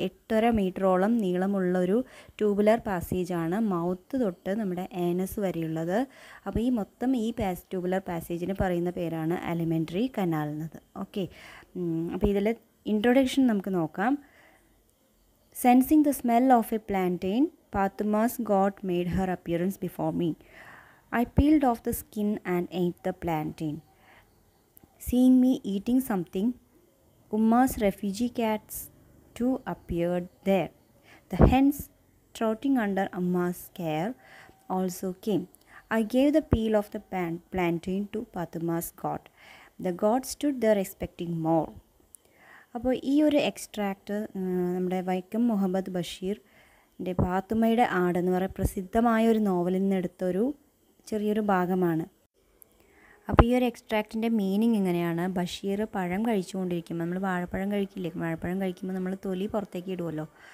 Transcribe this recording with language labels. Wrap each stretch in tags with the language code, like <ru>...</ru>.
<ml>8.5 മീറ്ററോളം നീളമുള്ളൊരു tubular പാസേജാണ് mouth തൊട്ട് നമ്മുടെ ആനസ് വരെയുള്ളത്. അപ്പോൾ ഈ മൊത്തം ഈ ട്യൂബുലർ പാസേജിന് പറയുന്ന പേരാണ് എലിമെൻ്ററി കനാൽ എന്നത്. ഓക്കെ, അപ്പോൾ ഇതിലെ ഇൻട്രൊഡക്ഷൻ നമുക്ക് നോക്കാം.</ml> <en>Sensing the smell of a plantain, Pathumma's god made her appearance before me. I peeled off the skin and ate the plantain. Seeing me eating something, Umma's refugee cats too appeared there. The hens trotting under Umma's care also came. I gave the peel of the plantain to Fatima's god. The god stood there expecting more.</en> <ml>അപ്പോൾ ഈ ഒരു extract നമ്മുടെ വൈക്കം മുഹമ്മദ് ബഷീറിൻ്റെ പാത്തുമ്മയുടെ ആടെന്ന് പറയുന്ന പ്രസിദ്ധമായ ഒരു നോവലിൽ നിന്നെടുത്തൊരു ചെറിയൊരു ഭാഗമാണ്. അപ്പോൾ ഈ ഒരു എക്സ്ട്രാക്റ്റിൻ്റെ മീനിങ് ഇങ്ങനെയാണ്. ബഷീർ പഴം കഴിച്ചുകൊണ്ടിരിക്കുമ്പോൾ, നമ്മൾ വാഴപ്പഴം കഴിക്കില്ലേ, വാഴപ്പഴം കഴിക്കുമ്പോൾ നമ്മൾ തൊലി പുറത്തേക്ക് ഇടുമല്ലോ.</ml>